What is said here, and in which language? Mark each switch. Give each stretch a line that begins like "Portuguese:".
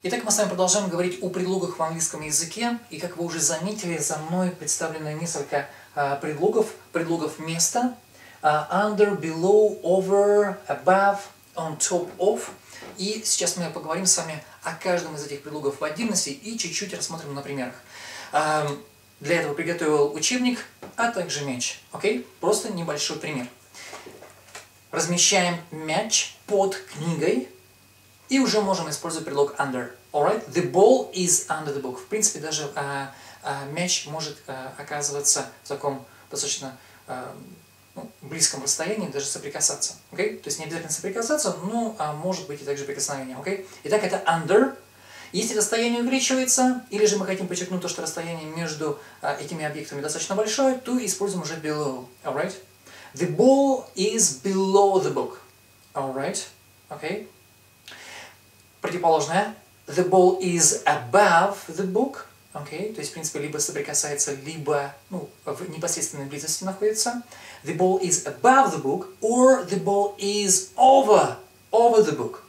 Russian: Итак, мы с вами продолжаем говорить о предлогах в английском языке. И как вы уже заметили, за мной представлено несколько предлогов. Предлогов места.
English: Under, below, over, above, on top of.
Russian: И сейчас мы поговорим с вами о каждом из этих предлогов в отдельности и чуть-чуть рассмотрим на примерах. Для этого приготовил учебник, а также мяч. Окей? Просто небольшой пример. Размещаем мяч под книгой. И уже можем использовать предлог under.
English: Alright? The ball is under the book.
Russian: В принципе, даже мяч может оказываться в таком достаточно близком расстоянии, даже соприкасаться.
English: Okay?
Russian: То есть не обязательно соприкасаться, но может быть и также прикосновение.
English: Okay?
Russian: Итак, это under. Если расстояние увеличивается, или же мы хотим подчеркнуть то, что расстояние между этими объектами достаточно большое, то используем уже below.
English: Alright? The ball is below the book. Alright? Okay?
Russian: Противоположное.
English: The ball is above the book. Okay.
Russian: То есть, в принципе, либо соприкасается, либо в непосредственной близости находится.
English: The ball is above the book. Or the ball is over the book.